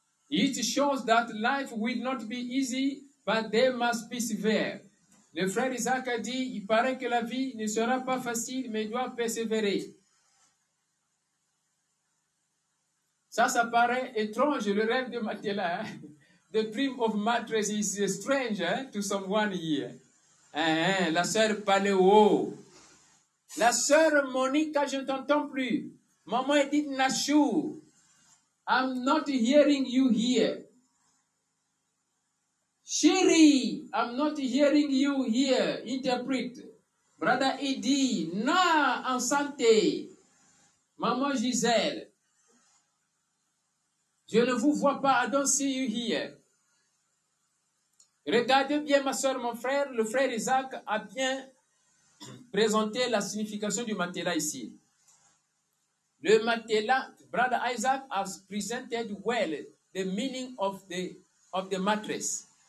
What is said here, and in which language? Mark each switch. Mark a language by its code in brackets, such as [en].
[en] It shows that life will not be easy, but they must persevere. [fr] Le frère Isaac a dit, il paraît que la vie ne sera pas facile, mais doit persévérer. Ça, ça paraît étrange, le rêve de Matela. Hein? [en] The dream of mattress is strange hein, to someone here. [fr] Hein, la sœur Paléo. La sœur Monica, je ne t'entends plus. [en] Maman Edith Nashu. I'm not hearing you here. Shiri, I'm not hearing you here. Interpret. [fr] Brother Edi, na, en santé. Maman Gisèle, je ne vous vois pas. [en] I don't see you here. [fr] Regardez bien ma soeur, mon frère. Le frère Isaac a bien présenté la signification du matelas ici. Le matelas, [en] Brother Isaac has presented well the meaning of the mattress.